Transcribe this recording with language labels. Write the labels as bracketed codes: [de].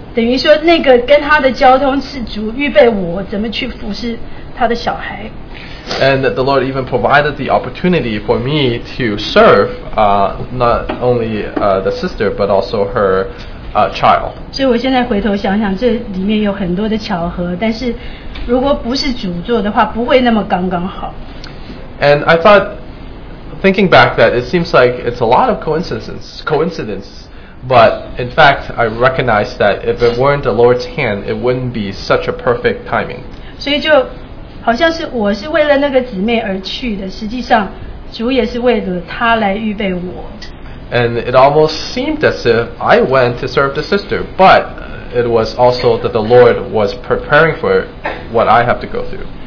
[zh] 等于说那个跟她的交通是主预备我怎么去服侍她的小孩。 [en] And the Lord even provided the opportunity for me to serve not only the sister, but also her child. [zh] 所以我现在回头想想，这里面有很多的巧合，但是如果不是主做的话，不会那么刚刚好。 [en] And I thought, thinking back that it seems like it's a lot of coincidence, but in fact, I recognize that if it weren't the Lord's hand, it wouldn't be such a perfect timing. [zh] 所以就好像是我是为了那个姊妹而去的，实际上主也是为了她来预备我。 [en] And it almost seemed as if I went to serve the sister, but it was also that the Lord was preparing for what I have to go through.